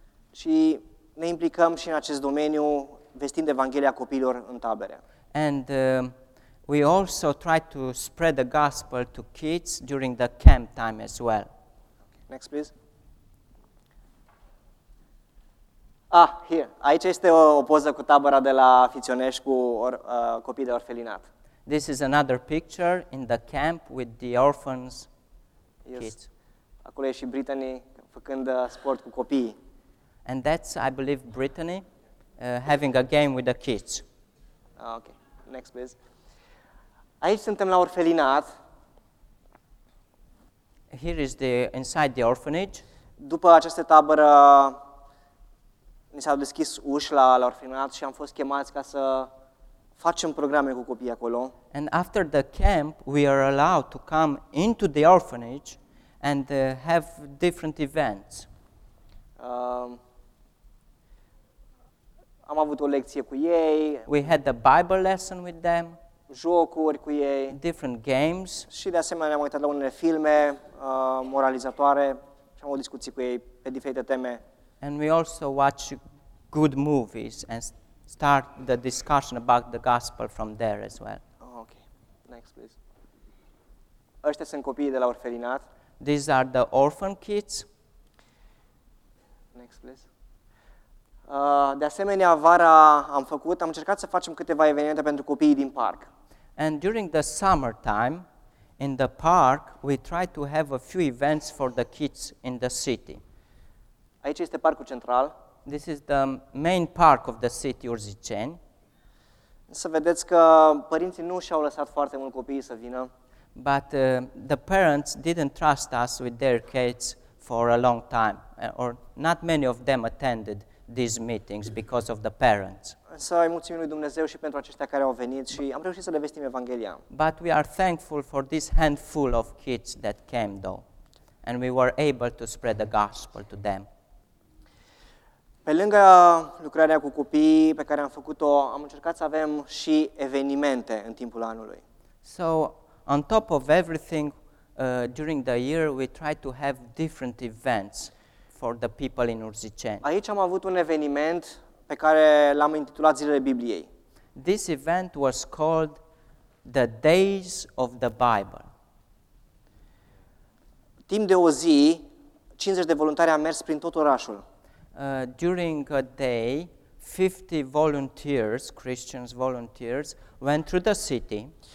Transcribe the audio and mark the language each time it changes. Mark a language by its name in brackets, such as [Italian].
[Romanian] Și ne implicăm și în acest domeniu, vestind Evanghelia copiilor în tabere. [English] And we also try to spread the gospel to kids during the camp time as well. Next, please. Ah, here. [Romanian] Aici este o poză cu tabăra de la Fiționești cu copii de orfelinat. [English] This is another picture in the camp with the orphans kids. [Romanian] Acolo e și Brittany făcând sport cu copiii. [English] And that's, I believe, Brittany having a game with the kids. Okay. Next, please. [Romanian] Aici suntem la orfelinat. [English] Here is the inside the orphanage. [Romanian] După această tabără ni s-au deschis uși la orfelinat și am fost chemați ca să facem programe cu copiii acolo. [English] And after the camp, we are allowed to come into the orphanage and have different events. [Romanian] Am avut o lecție cu ei. [English] We had the Bible lesson with them. [Romanian] Jocuri cu ei. [English] Different games. [Romanian] Și de asemenea ne-am uitat la unele filme moralizatoare și am avut discuții cu ei pe diferite teme. [English] And we also watch good movies and start the discussion about the gospel from there as well. Okay. Next, please. [Romanian] Ăștia sunt copiii de la orfelinat. [English] These are the orphan kids. Next, please. [Romanian] De asemenea, vara am încercat să facem câteva evenimente pentru copiii din parc. [English] And during the summer time in the park, we try to have a few events for the kids in the city. [Romanian] Aici este parcul central. [English] This is the main park of the city, Urziceni. [Romanian] Să vedeți că părinții nu și-au lăsat foarte mult copiii să vină. [English] But the parents didn't trust us with their kids for a long time, or not many of them attended these meetings because of the parents. [Romanian] Să îi mulțumim lui Dumnezeu și pentru aceștia care au venit și am reușit să le vestim Evanghelia. [English] But we are thankful for this handful of kids that came though and we were able to spread the gospel to them. [Romanian] Pe lângă lucrarea cu copii pe care am făcut-o, am încercat să avem și evenimente în timpul anului. [English] So on top of everything during the year we try to have different events for the people in Urziceni. [Romanian] Aici am avut un eveniment pe care l-am intitulat Zilele Bibliei. [English] This event was called The Days of the Bible. [Romanian] Timp de o zi, 50 de voluntari au mers prin tot orașul. [English] during a day, 50 volunteers, Christians volunteers, went through the city.